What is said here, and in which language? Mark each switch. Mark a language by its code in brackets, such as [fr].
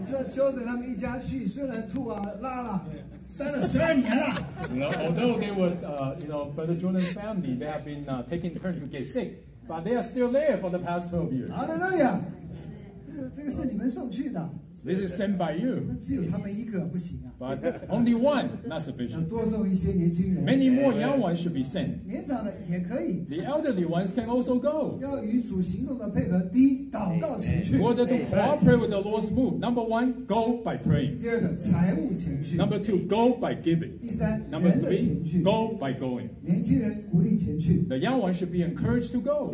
[zh] 就跟他们一家去, 虽然吐啊,拉了,待了12年了。 [en] No, although they were, you know, Brother Jordan's family, they have been taking turns to get sick, but they are still there for the past 12 years. [zh] 阿德勒亚,这个是你们送去的。 [en] This is sent by you. [zh] 只有他们一个不行啊。 [en] But only one, not sufficient. [zh] 要多送一些年轻人。 [en] Many more young ones should be sent. [zh] 年长的也可以。 [en] The elderly ones can also go. [zh] 要与主行动的配合，第一，祷告前去。 [en] In order to cooperate with the Lord's move, number one, go by praying. [zh] 第二个，财务前去。 [en] Number two, go by giving. [zh] 第三，人的前去。 [en] Go by going. [zh] 年轻人鼓励前去。 [en] The young ones should be encouraged to go.